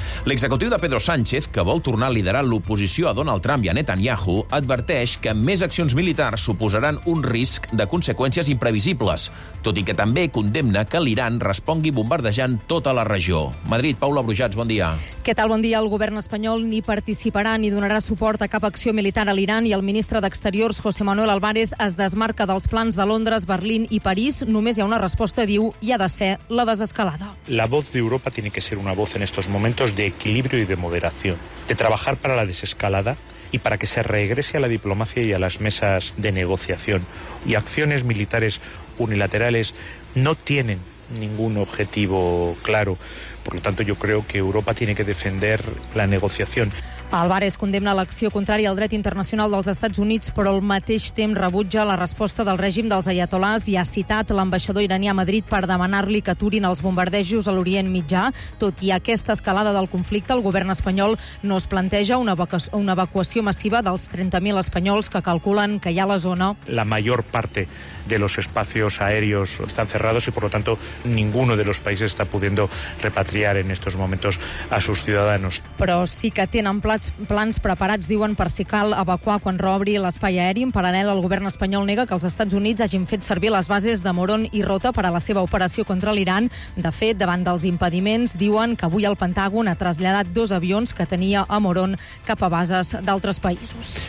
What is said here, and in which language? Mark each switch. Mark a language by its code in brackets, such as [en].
[ca] L'executiu de Pedro Sánchez, que vol tornar a liderar l'oposició a Donald Trump i a Netanyahu, adverteix que més accions militars suposaran un risc de conseqüències imprevisibles, tot i que també condemna que l'Iran respongui bombardejant tota la regió. Madrid, Paula Brujats, bon dia. Què tal, bon dia. El govern espanyol ni participarà ni donarà suport a cap acció militar a l'Iran i el ministre d'Exterior José Manuel Álvarez es desmarca dels plans de Londres, Berlín i París. Només hi ha una resposta, diu, i ha de ser la desescalada. [es] La voz de Europa tiene que ser una voz en estos momentos de equilibrio y de moderación, de trabajar para la desescalada y para que se regrese a la diplomacia y a las mesas de negociación. Y acciones militares unilaterales no tienen ningún objetivo claro. Por lo tanto, yo creo que Europa tiene que defender la negociación. [ca] Álvarez condemna l'acció contrària al dret internacional dels Estats Units, però al mateix temps rebutja la resposta del règim dels ayatolàs i ha citat l'ambaixador iranià a Madrid per demanar-li que aturin els bombardejos a l'Orient Mitjà. Tot i aquesta escalada del conflicte, el govern espanyol no es planteja una evacuació massiva dels 30.000 espanyols que calculen que hi ha a la zona. [es] La major part de los espacios aéreos están cerrados y, por lo tanto, ninguno de los países está pudiendo repatriar en estos momentos a sus ciudadanos. [ca] Però sí que tenen plans preparats, diuen, per si cal evacuar quan reobri l'espai aeri. En paral·lel, el govern espanyol nega que els Estats Units hagin fet servir les bases de Morón i Rota per a la seva operació contra l'Iran. De fet, davant dels impediments, diuen que avui el Pentàgon ha traslladat dos avions que tenia a Morón cap a bases d'altres països.